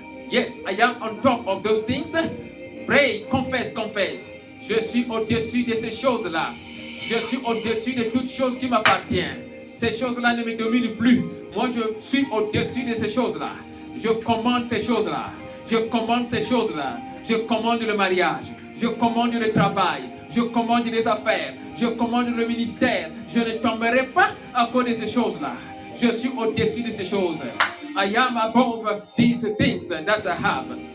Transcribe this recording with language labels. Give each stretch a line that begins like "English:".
English: Yes, I am on top of those things. Pray, confess.
French: Je suis au-dessus de ces choses-là. Je suis au-dessus de toutes choses qui m'appartiennent. Ces choses-là ne me dominent plus. Moi, je suis au-dessus de ces choses-là. Je commande ces choses-là. Je commande ces choses-là. Je commande le mariage. Je commande le travail. Je commande les affaires. Je commande le ministère. Je ne tomberai pas à cause de ces choses-là. Je suis au-dessus de ces choses.
English: I am above these things that I have.